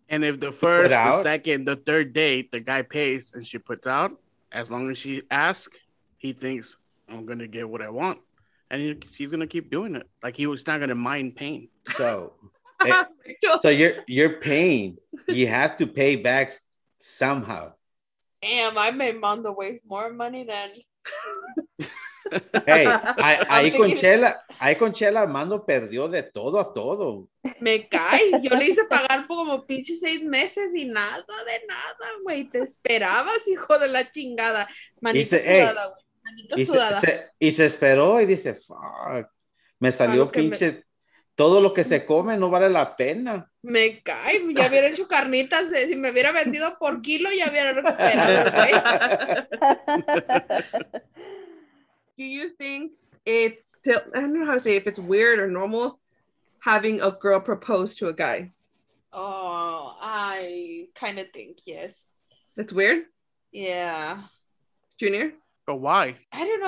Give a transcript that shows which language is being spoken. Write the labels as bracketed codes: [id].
[en] And if the first, the out, second, the third date, the guy pays and she puts out, as long as she asks, he thinks, I'm going to get what I want. And she's going to keep doing it. Like, he was not going to mind paying. So, so you're paying. You have to pay back somehow. Damn, I made Mondo waste more money than... [es] Hey, I con Chela, Mando perdió de todo a todo. Me cae. Yo le hice pagar como pinche 6 meses y nada de nada, güey. Te esperabas, hijo de la chingada. Manito sudada, güey. Y se esperó y dice, fuck. Me salió claro pinche. Todo lo que se come no vale la pena. Me cae. Ya hubiera hecho carnitas. Si me hubiera vendido por kilo, ya hubiera recuperado, güey. [en] Do you think it's still, I don't know how to say, if it's weird or normal having a girl propose to a guy? Oh, I kind of think yes. That's weird? Yeah. Junior? But why? I don't know.